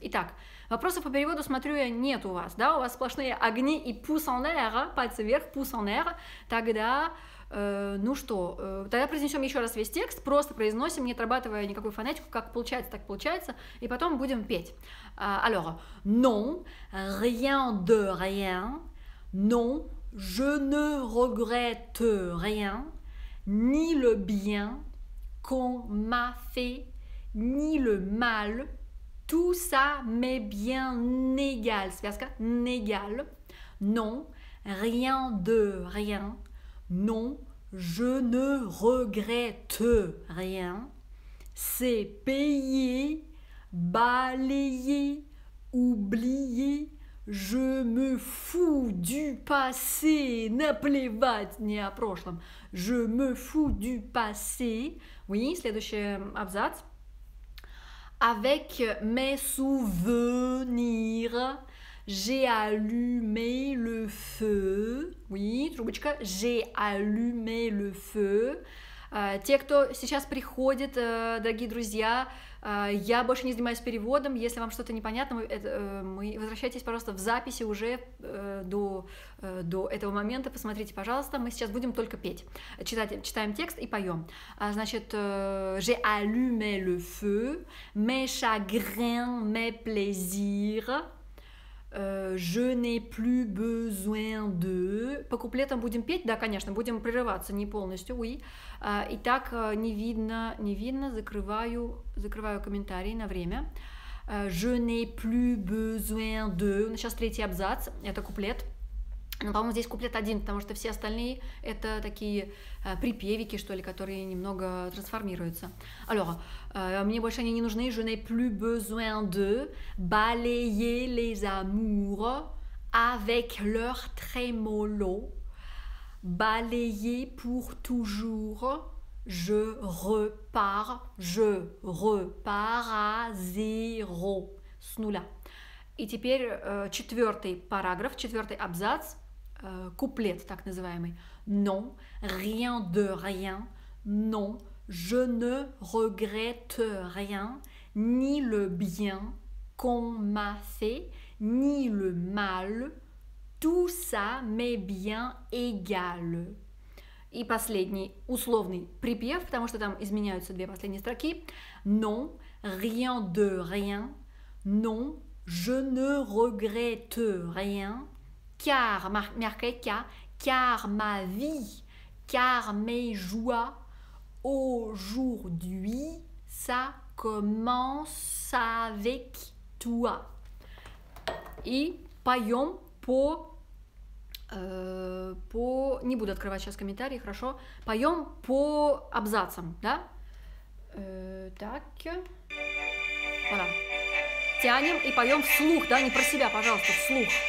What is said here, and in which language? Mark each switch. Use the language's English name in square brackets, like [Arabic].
[Russian] Итак, вопросов по переводу, смотрю я, нет у вас, да? У вас сплошные огни и pouce en l'air, пальцы вверх, pouce en l'air. Тогда, ну что, тогда произнесем еще раз весь текст, просто произносим, не отрабатывая никакую фонетику, как получается, так получается, и потом будем петь. [French] Alors, non, rien de rien. Non, je ne regrette rien, ni le bien qu'on m'a fait, ni le mal, tout ça m'est bien égal. [Russian] Связка négal. [French] Non, rien de rien. Non, je ne regrette rien. C'est payé, balayé, oublié. Je me fous du passé, [Russian] не плевать не о прошлом. [French] Je me fous du passé. [Russian] Oui, следующий абзац. [French] Avec mes souvenirs, j'ai allumé le feu. [Russian] Oui, трубочка. [French] J'ai allumé le feu. [Russian] Те, кто сейчас приходит, дорогие друзья, я больше не занимаюсь переводом. Если вам что-то непонятно, мы возвращайтесь, пожалуйста, в записи уже до этого момента. Посмотрите, пожалуйста, мы сейчас будем только петь. Читаем текст и поем. [French] Значит, j'ai allumé le feu, mes chagrins, mes plaisirs. Je n'ai plus besoin de... [Russian] По куплетам будем петь? Да, конечно, будем прерываться не полностью, oui. Итак, не видно, закрываю комментарии на время. [French] Je n'ai plus besoin de... [Russian] Сейчас третий абзац, это куплет. Но, по-моему, здесь куплет один, потому что все остальные это такие припевики, что ли, которые немного трансформируются. Alors, мне больше они не нужны. [French] Je n'ai plus besoin de balayer les amours avec leur trémolo. Balayer pour toujours. Je repars à zéro. [Russian] С нуля. И теперь четвертый параграф, четвертый абзац. Куплет, так называемый. [French] Non, rien de rien. Non, je ne regrette rien. Ni le bien qu'on m'a fait, ni le mal. Tout ça m'est bien égal. [Russian] И последний условный припев, потому что там изменяются две последние строки. [French] Non, rien de rien. Non, je ne regrette rien. Car, [Russian] мягкое «ка», [French] car ma vie, car mes joies, aujourd'hui, ça commence avec toi. [Russian] И поем по... Не буду открывать сейчас комментарии, хорошо? Поем по абзацам, да? Так. Voilà. Тянем и поем вслух, да? Не про себя, пожалуйста, вслух.